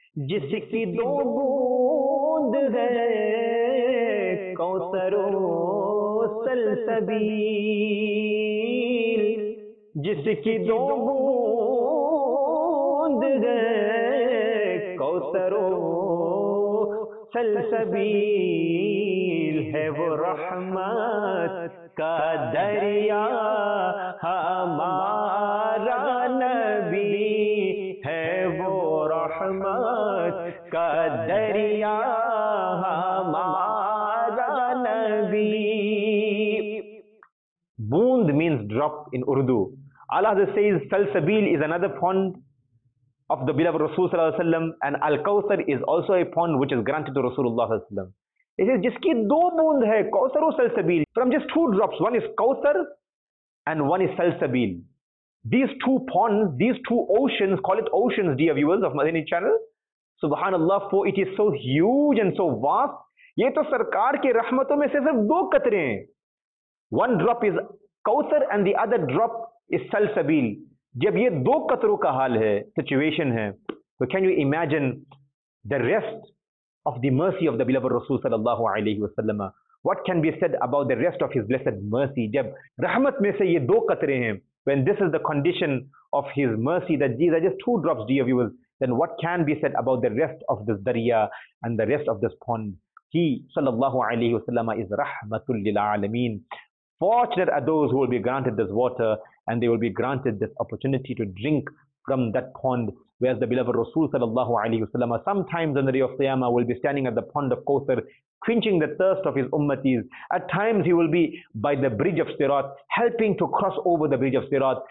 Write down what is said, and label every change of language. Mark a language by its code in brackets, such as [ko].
[ur] جس کی دو بوند ہے کوثر و سلسبیل, جس کی دو بوند ہے کوثر و سلسبیل, ہے وہ رحمت کا دریا ہمارا نبی, ہے وہ رحمت کا دریا ہمارا نبی. [en] بوند means drop in Urdu. Allah says Salsabil is another pond of the beloved Rasul sallallahu alaihi wasallam, and Al-Kawthar is also a pond which is granted to Rasulullah sallallahu alaihi wasallam. It says [ur] jiski do boond hai Kawthar o Salsabil, [en] from just two drops, one is Kawthar and one is Salsabil. These two ponds, these two oceans, call it oceans dear viewers of Madani channel, subhanallah, for it is so huge and so vast. [ur] Ye to sarkar ke rahmaton mein se sirf do qatre hain. [en] One drop is Kawthar and the other drop is Salsabil. [ur] جب یہ دو قطروں کا حال ہے, situation ہے, تو [en] Can you imagine the rest of the mercy of the beloved Rasul صلی اللہ علیہ وسلم. What can be said about the rest of his blessed mercy, [ur] جب رحمت میں سے یہ دو قطرے ہیں, [en] When this is the condition of his mercy, that these are just two drops dear viewers, then what can be said about the rest of this darya and the rest of this pond. He صلی اللہ علیہ وسلم is رحمت للعالمین. Fortunate are those who will be granted this water, and they will be granted this opportunity to drink from that pond. Whereas the beloved Rasul sallallahu alayhi wa sallam, sometimes on the day of Qiyamah, will be standing at the pond of Kawthar, quenching the thirst of his ummatis. At times he will be by the bridge of Sirat, helping to cross over the bridge of Sirat.